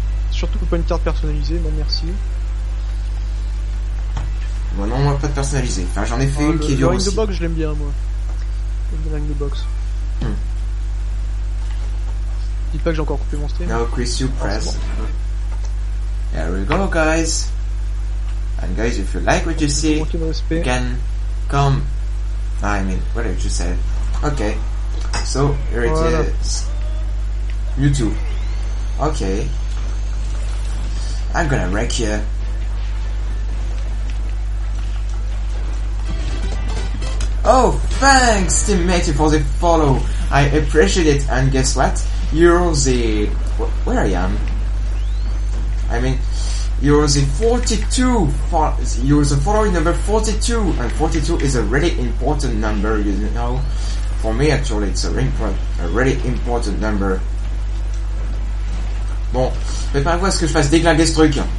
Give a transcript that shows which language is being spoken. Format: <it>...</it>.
<fr>Surtout pas une carte personnalisée, non merci. Moi non, moi pas de personnalisée. Enfin, j'en ai fait une qui est dure aussi. Le ring de box, je l'aime bien, moi. Le ring de box. Hmm. Dites pas que j'ai encore coupé mon stream.</fr> <en>Now, Chris, you press.</en> <fr>Ah, bon.</fr> <en>There we go, guys. And guys, if you like what you see, you can come. I mean, what did you say? Okay. So, here it is. You too. Okay. I'm gonna wreck you. Oh, thanks, teammate, for the follow. I appreciate it. And guess what? You're the... Where I am? I mean, you're the 42. You're the following number 42. And 42 is a really important number, you know. For me, actually, it's a really important number.</en> <fr>Bon, préparez-vous à ce que je fasse déglinguer ce truc.</fr>